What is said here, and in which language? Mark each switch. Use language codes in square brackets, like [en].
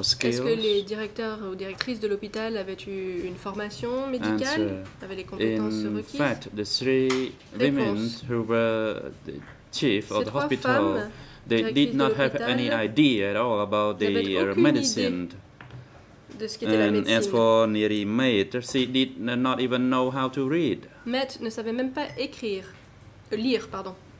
[fr] Est-ce que les directeurs ou directrices de l'hôpital avaient eu une formation médicale? [en] Answer. [fr] Avaient les compétences requises? [en] In fact, the three women who were the chief of the hospital, they did not have any idea at all about the medicine. [fr] De ce [en] and [fr] la [en] as for Neri Maid, she did not even know how to read. [fr] Maid ne savait même pas écrire, lire, pardon.